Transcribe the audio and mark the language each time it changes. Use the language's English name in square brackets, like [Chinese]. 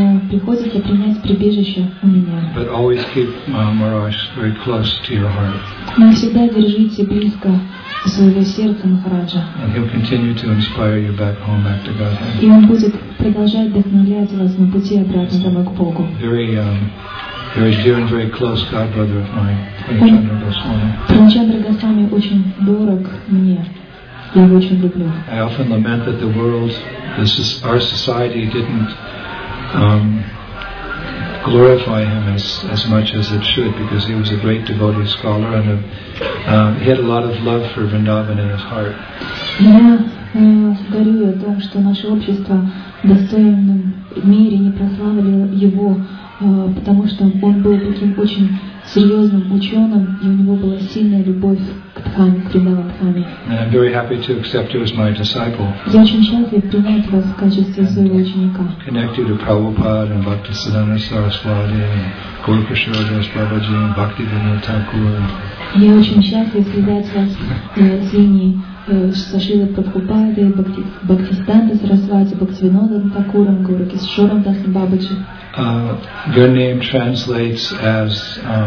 [Russian] Приходится принять прибежище у меня. [English] But always keep Maharaj very close to your heart. [Russian] Но всегда держите близко своего сердца Махараджа. [English] And he'll continue to inspire you back home, back to Godhead. [Russian] И он будет продолжать вдохновлять вас на пути обратно домой к Богу. [English] Very dear and very close godbrother of mine, Pranachandra Goswami. [Russian] Pranachandra Goswami очень дорог мне. Я его очень люблю. [English] I often lament that the world, our society didn't glorify him as much as it should, because he was a great devotee scholar and he had a lot of love for Vrindavan in his heart. [Russian] Я горюю о том, что наше общество в достойном мире не прославило его, потому что он был таким очень серьезным ученым, и у него была сильная любовь к Дхаме, к Вриндаван-дхаме. [English] I'm very happy to accept you as my disciple. [Russian] Я очень счастлив принять вас в качестве своего ученика. [English] Connect you to Prabhupada and Bhaktisiddhanta Saraswati and Guru Kishoredas Babaji and Bhaktivinoda Thakur. [Russian] Я очень счастлив связать вас с линией со Шрилой Прабхупадой, Бхактисиддханта Сарасвати, Бхактивинодом Такуром, Гуру Кисшором Дасом Бабаджи. [English] Your name translates as